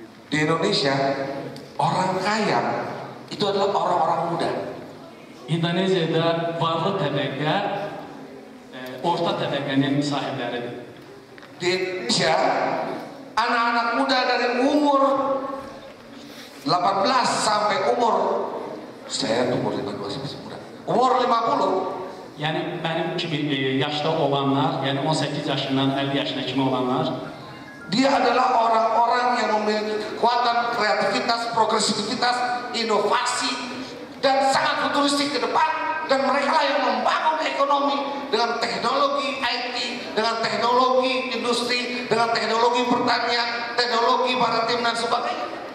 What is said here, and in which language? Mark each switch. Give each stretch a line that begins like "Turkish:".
Indonesian: Di Indonesia orang kaya itu adalah orang-orang muda.
Azerbaijani: İndoneziyada varlı təbəqə orta təbəqənin sahibləridir.
Indonesian: Di Indonesia anak-anak muda dari umur 18 sampai umur saya umur 15 masih muda. Umur 50.
Azerbaijani: Yəni mənim kimi yaşda olanlar, yəni 18 yaşından 50 yaşına kimi olanlar
Indonesian: dia adalah orang-orang yang memiliki kekuatan kreativitas, progresivitas, inovasi dan sangat futuristik ke depan dan mereka yang membangun ekonomi dengan teknologi IT, dengan teknologi industri, dengan teknologi pertanian, teknologi maritim dan sebagainya.